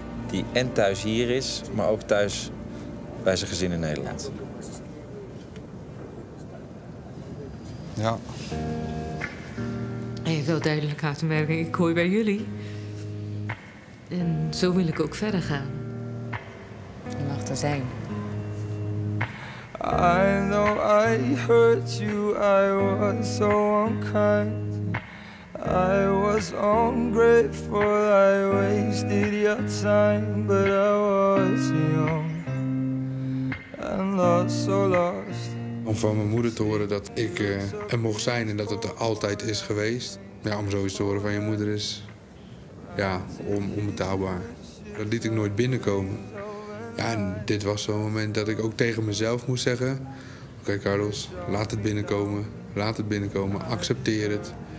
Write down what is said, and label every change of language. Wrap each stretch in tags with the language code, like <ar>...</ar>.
<nl>Die en thuis hier is, maar ook thuis bij zijn gezin in Nederland. Ja. Ja, wel duidelijk aan te merken, ik hoor bij jullie. En zo wil ik ook verder gaan. Je mag er zijn.</nl> <en>I know I hurt you, I was so unkind. I was ungrateful, I wasted your time. But I was young and lost, so lost.</en> <nl>Om van mijn moeder te horen dat ik er mocht zijn en dat het er altijd is geweest. Ja, om zoiets te horen van je moeder is, ja, onbetaalbaar. Dat liet ik nooit binnenkomen. Ja, en dit was zo'n moment dat ik ook tegen mezelf moest zeggen, oké, Carlos, laat het binnenkomen, accepteer het.</nl>